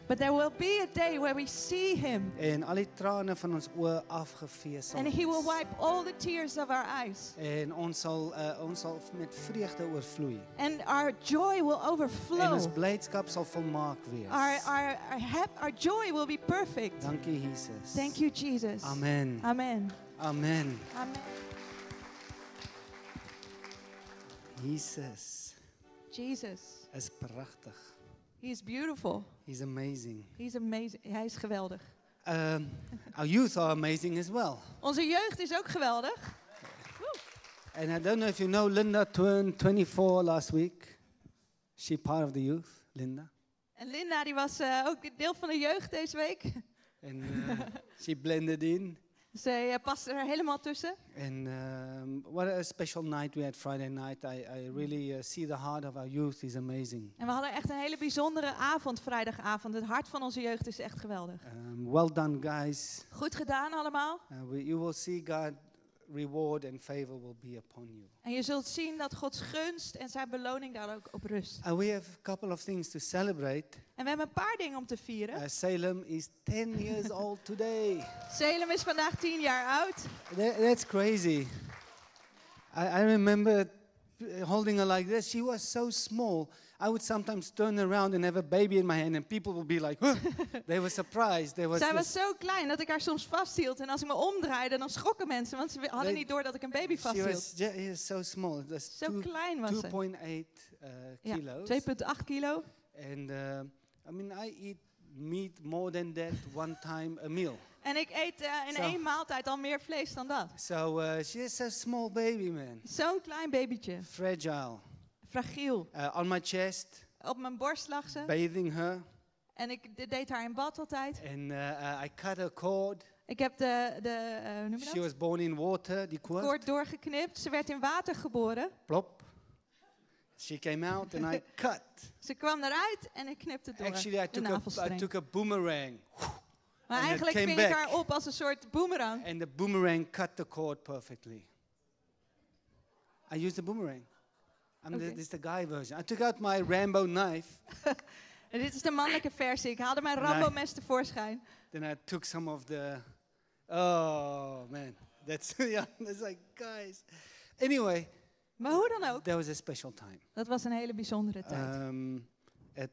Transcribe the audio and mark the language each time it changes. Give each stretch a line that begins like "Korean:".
English: But there will be a day where we see him.
Afrikaans: En al die trane van ons oë afgevee sal.
English: And he will wipe all the tears of our eyes.
Afrikaans: En ons sal met vreugde oorvloei.
English: And our joy will overflow.
Afrikaans: En ons blydskap sal volmaak wees.
English: Our joy will be perfect.
Afrikaans: Dankie, Jesus.
English: Thank you, Jesus. Amen. Amen. Amen. Amen. Jesus. Jesus.
Afrikaans: Is pragtig.
English: He is beautiful. He's amazing. He's amazing.
Dutch: Hij is geweldig.
English: Our youth are amazing as well.
Dutch: Onze jeugd is ook geweldig.
English: And I don't know if you know Linda turned 24 last week. She part of the youth, Linda.
Dutch: En Linda die was ook deel van de jeugd deze week.
English: And she blended in.
Dutch: Zij paste er helemaal tussen.
English: And what a special night we had Friday night. I really see the heart of our youth is amazing.
Dutch: En we hadden echt een hele bijzondere avond vrijdagavond. Het hart van onze jeugd is echt geweldig.
English: Well done guys.
Dutch: Goed gedaan allemaal.
English: You will see God. Reward and favor will be upon you.
Dutch: En je zult zien dat Gods gunst en zijn beloning daar ook op rust.
English: And we have a couple of things to celebrate.
Dutch: En we hebben een paar dingen om te vieren.
English: Salem is 10 years old today.
Dutch: Salem is vandaag 10 jaar oud.
English: That's crazy. I remember holding her like this. She was so small. I would sometimes turn around and have a baby in my hand and people would be like, huh? They were surprised.
Dutch: Zij was zo klein dat ik haar soms vasthield en als ik me omdraaide dan schrokken mensen, want ze hadden niet door dat ik een baby vasthield.
English: She was so small.
Dutch: Zo so klein was ze. 2.8 kilo.
English: And I mean, I eat meat more than that one time a meal.
Dutch: En ik eet in één maaltijd al meer vlees dan dat.
English: So she is a small baby, man.
Dutch: Zo'n klein babytje.
English: Fragile.
Dutch: Fragiel.
English: On my chest.
Dutch: Op mijn borst lag ze.
English: Bathing her.
Dutch: En ik deed haar in bad altijd.
English: And I cut her cord.
Dutch: Ik heb de hoe noem je dat?
English: She was born in water. Die
Dutch: cord doorgeknipt. Ze werd in water geboren.
English: Plop. She came out and I cut.
Dutch: Ze kwam eruit en ik knipte door.
English: Actually, I took a boomerang.
Dutch: Maar eigenlijk ving ik haar op als een soort boomerang.
English: And the boomerang cut the cord perfectly. I used the boomerang. This is the guy version. I took out my Rambo knife.
Dutch: En dit is de mannelijke versie. Ik haalde mijn Rambo mes tevoorschijn.
English: Then I took some of the. Oh man, that's yeah. It's like guys. Anyway.
Dutch: Maar hoe dan ook.
English: That was a special time.
Dutch: Dat was een hele bijzondere tijd.